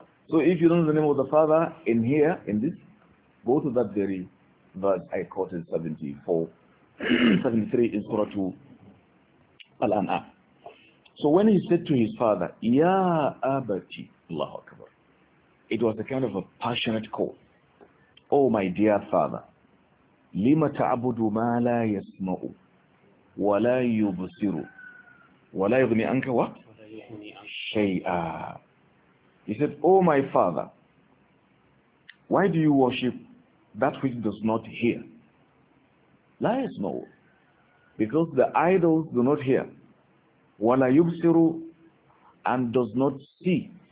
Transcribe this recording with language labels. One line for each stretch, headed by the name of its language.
English: So if you don't know the name of the father in here, in this, go to that very verse I quoted 74, 73 in Surah Al-An'am. So when he said to his father,
Arabic: يَا أَبَتِي,
English: Allahu Akbar, it was a kind of a passionate call. Oh my dear father,
Arabic: لِمَ تَعْبُدُ مَا لَا يَسْمَعُ وَلَا يُبْصِرُ وَلَا يُغْنِي عَنْكَ وَشَيْئًا.
English: He said, oh my father, why do you worship that which does not hear?
Arabic: لَا يَسْمَعُ,
English: because the idols do not hear.
Arabic: وَلَا يُبْصِرُ,
English: and does not see.